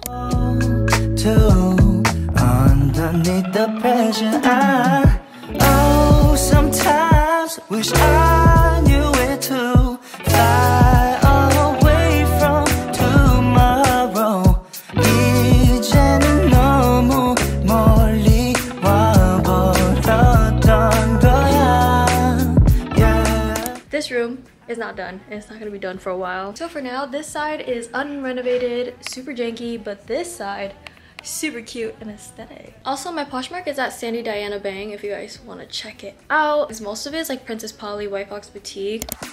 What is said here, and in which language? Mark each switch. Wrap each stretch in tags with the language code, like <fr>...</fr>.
<en>To underneath the pressure, sometimes wish I knew it too. Fly away from tomorrow.</en> <ko>이제는 너무 멀리 와 버렸던 거야.</ko> <en>Yeah. This room. It's not done. It's not gonna be done for a while. So for now, this side is unrenovated, super janky, but this side, super cute and aesthetic. Also, my Poshmark is at Sandy Diana Bang if you guys wanna check it out. Because most of it is like Princess Polly, White Fox Boutique.</en>